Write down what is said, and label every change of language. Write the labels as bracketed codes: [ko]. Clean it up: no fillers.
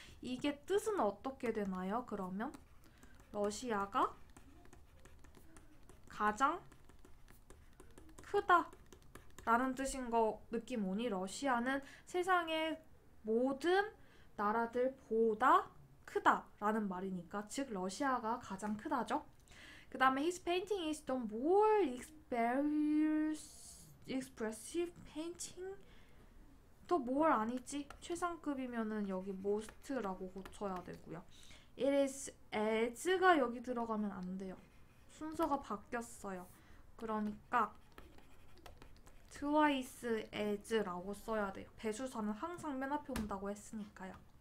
[ko] 이게 뜻은 어떻게 되나요? 그러면 러시아가 가장 크다 라는 뜻인 거 느낌 오니? 러시아는 세상의 모든 나라들보다 크다라는 말이니까, 즉 러시아가 가장 크다죠. [en] 그 다음에 his painting is the more expressive painting. [ko] 더뭘 아니지? 최상급이면은 여기 most라고 고쳐야 되고요. It is as가 여기 들어가면 안 돼요. 순서가 바뀌었어요. 그러니까 Twice as라고 써야 돼요. 배수사는 항상 맨 앞에 온다고 했으니까요.